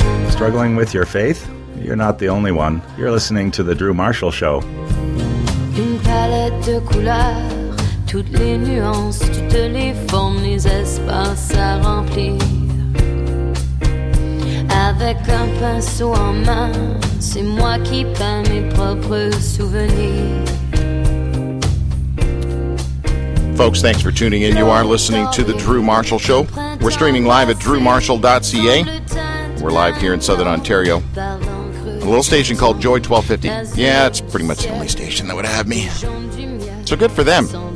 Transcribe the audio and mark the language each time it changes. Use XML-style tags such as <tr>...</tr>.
<en>Struggling with your faith? You're not the only one. You're listening to The Drew Marshall Show.</en> <fr>Une palette de couleurs, toutes les nuances, toutes les formes, les espaces à remplir. Avec un pinceau en main, c'est moi qui peins mes propres souvenirs.</fr> <en>Folks, thanks for tuning in. You are listening to The Drew Marshall Show. We're streaming live at drewmarshall.ca. We're live here in Southern Ontario. A little station called Joy 1250. Yeah, it's pretty much the only station that would have me. So good for them.</en>